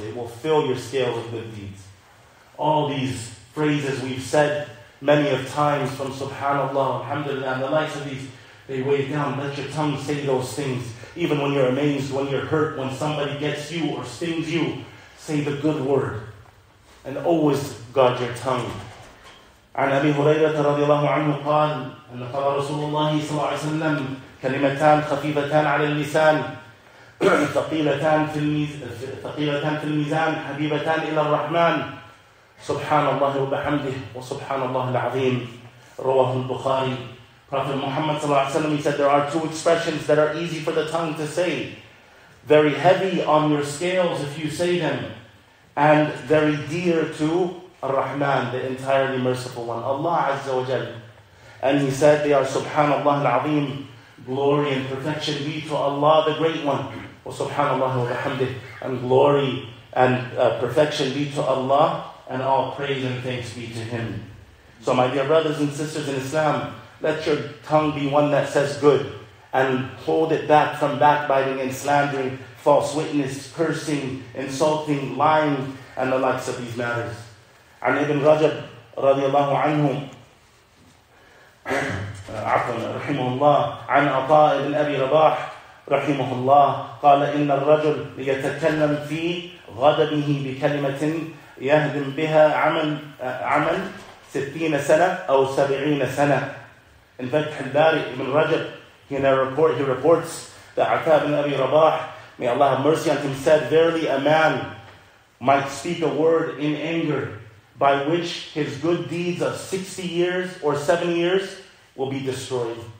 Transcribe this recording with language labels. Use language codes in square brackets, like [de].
[en] It will fill your scales with good deeds. All these phrases we've said many of times from subhanAllah, alhamdulillah, and the likes of these, they weigh down. Let your tongue say those things. Even when you're amazed, when you're hurt, when somebody gets you or stings you, say the good word. And always guard your tongue. [ar] عن أبي هريرة رضي الله عنه قال أن قال رسول الله صلى الله عليه وسلم كلمتان خفيفتان على اللسان ثقيلتان في الميزان حبيبتان إلى الرحمن سبحان الله وبحمده وسبحان الله العظيم رواه البخاري. [en] Prophet Muhammad [ar] صلى الله عليه وسلم, [en] he said, there are two expressions that are easy for the tongue to say, very heavy on your scales if you say them, and very dear to Ar-Rahman, the entirely merciful one, Allah Azza wa Jal. And he said, they are [ar] Subhanallah Al-Azim, [en] glory and perfection be to Allah the Great One. [ar] Wa Subhanallah wa bihamdih, [en] and glory and perfection be to Allah, and all praise and thanks be to Him. So my dear brothers and sisters in Islam, let your tongue be one that says good, and hold it back from backbiting and slandering, false witness, cursing, insulting, lying, and the likes of these matters. And [ar] Ibn Rajab radiallahu anhu, عفواً رحمه الله عن عطاء بن أبي رباح رحمه الله قال إن الرجل ليتكلم في غضبه بكلمة يهدم بها عمل 60 سنة أو 70 سنة. [en] In Fath al-Bari, Ibn Rajab, he reports that عطاء بن أبي رباح, may Allah have mercy on him, said, verily a man might speak a word in anger by which his good deeds of 60 years or 70 years will be destroyed.